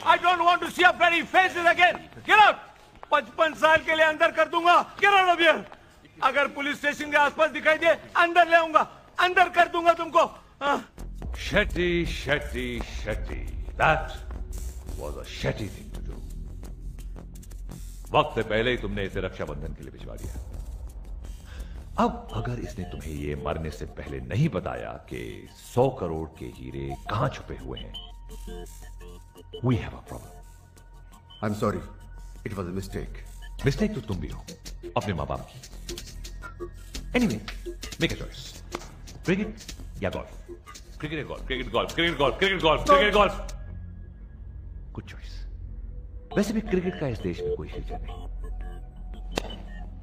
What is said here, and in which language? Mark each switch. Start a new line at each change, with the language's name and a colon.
English: I don't want to see your pretty faces again. Get up!
Hindi: 55 साल के लिए अंदर कर दूंगा।
English: Get out of here!
Hindi: अगर पुलिस स्टेशन के आसपास दिखाई दे, अंदर ले आऊंगा, अंदर कर दूंगा तुमको।
English: Shetty, Shetty, Shetty. That was a shetty thing to do.
Hindi: वक्त से पहले ही तुमने इसे रक्षाबंधन के लिए भिजवा दिया। अब अगर इसने तुम्हें ये मरने से पहले नहीं बताया कि 100 करोड़ के हीरे कहां छुपे हुए हैं,
English: We have a problem. I'm sorry. It was a mistake.
Hindi: Mistake तो तुम भी हो, अपने माँ बाप की।
English: Anyway, make a choice.
Hindi: Cricket या golf? Cricket या golf?
English: Cricket golf? Cricket golf? Cricket golf? Cricket golf? Good choice.
Hindi: वैसे भी क्रिकेट का इस देश में कोई फ्यूचर नहीं।